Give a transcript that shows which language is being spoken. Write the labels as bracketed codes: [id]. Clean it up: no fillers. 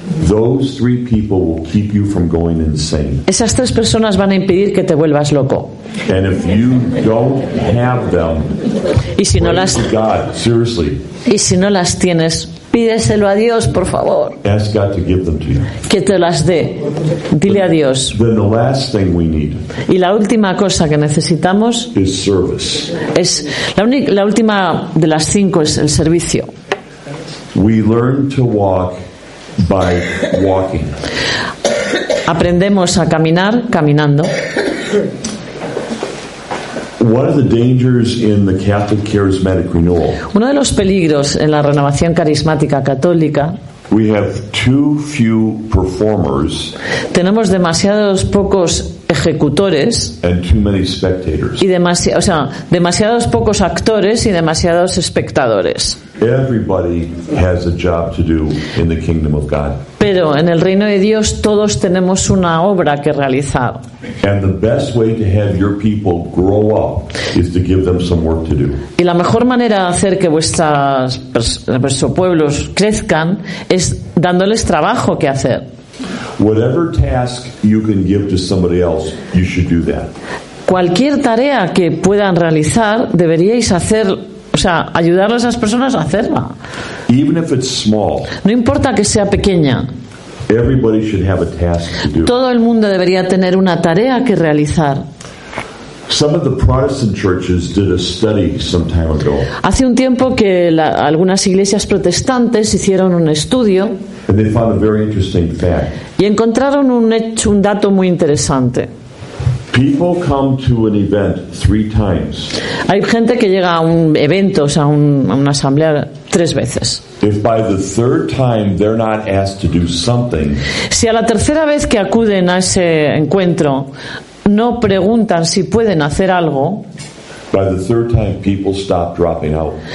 [en] Those three people will keep you from going insane. [es] Esas tres personas van a impedir que te vuelvas loco. [en] And if you don't have them, [es] y si no las, [en] God, seriously, [es] y si no las tienes, pídeselo a Dios, por favor. [en] Ask God to give them to you. [es] Que te las dé. Dile a Dios. [en] Then the last thing we need, [es] y la última cosa que necesitamos [en] is service. [es] Es la última de las cinco es el servicio. [en] We learn to walk by walking. [es] Aprendemos a caminar caminando. [en] One of the dangers in the Catholic charismatic renewal. [es] Uno de los peligros en la renovación carismática católica. [en] We have too few performers. [es] Tenemos demasiados pocos ejecutores. [en] And too many spectators. [es] Y demasiados pocos actores y demasiados espectadores. [en] Everybody has a job to do in the kingdom of God. [es] Pero en el reino de Dios todos tenemos una obra que realizar. [en] And the best way to have your people grow up is to give them some work to do. [es] Y la mejor manera de hacer que vuestros pueblos crezcan es dándoles trabajo que hacer. [en] Whatever task you can give to somebody else, you should do that. [es] Cualquier tarea que puedan realizar deberíais hacer o sea, ayudar a esas personas a hacerla. [en] Even if it's small. [es] No importa que sea pequeña. [en] Everybody should have a task to do. [es] Todo el mundo debería tener una tarea que realizar. [en] Some of the Protestant churches did a study some time ago. [es] Hace un tiempo que algunas iglesias protestantes hicieron un estudio. [en] And they found a very interesting fact. [es] Y encontraron un dato muy interesante. [en] People come to an event three times. [es] Hay gente que llega a un evento, o sea, a una asamblea, tres veces. [en] If by the third time they're not asked to do something. [es] Si a la tercera vez que acuden a ese encuentro no preguntan si pueden hacer algo. [en] By the third time people stop dropping out.